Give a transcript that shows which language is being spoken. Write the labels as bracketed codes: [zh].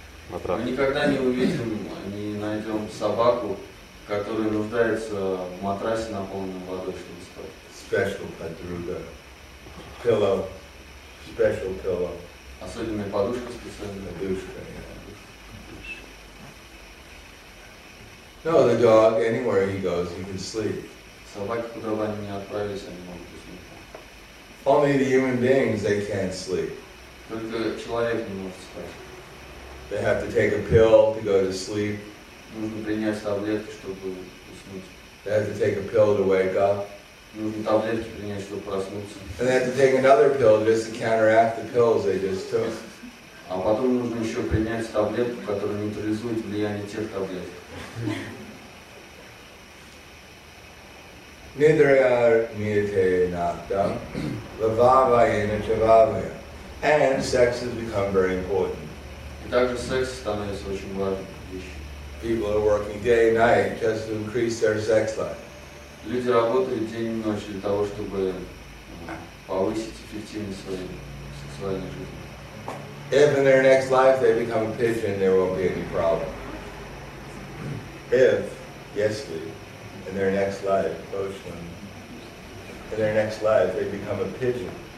[ru] Мы никогда не увидим, не найдем собаку, который нуждается в матрасе, наполненном водой, чтобы спать. [en] Special подруга. Pillow. Special pillow. [ru] Особенная подушка специальная. Подушка, yeah. [en] No, the dog, anywhere he goes, he can sleep. [ru] Собаки, куда бы они ни отправились, они могут уснуть. [en] Only the human beings, they can't sleep. [ru] Только человек не может спать. [en] They have to take a pill to go to sleep. [ru] Нужно принять таблетки, чтобы уснуть. [en] They have to take a pill to wake up. [ru] Нужно таблетки принять, чтобы проснуться. [en] And they have to take another pill just to counteract the pills they just took. [ru] А потом нужно еще принять таблетку, которая нейтрализует влияние тех таблеток. [sa] Nidraya niyate naktam, vavavayena chavavaya. [en] And sex has become very important. [ru] И также секс становится очень важным. [en] People are working day and night just to increase their sex life. [ru] Люди работают день и ночь для того, чтобы повысить эффективность своей сексуальной жизни. [en] If in their next life they become a pigeon, there won't be any problem. If, yes, in their next life, Boshman, in their next life they become a pigeon.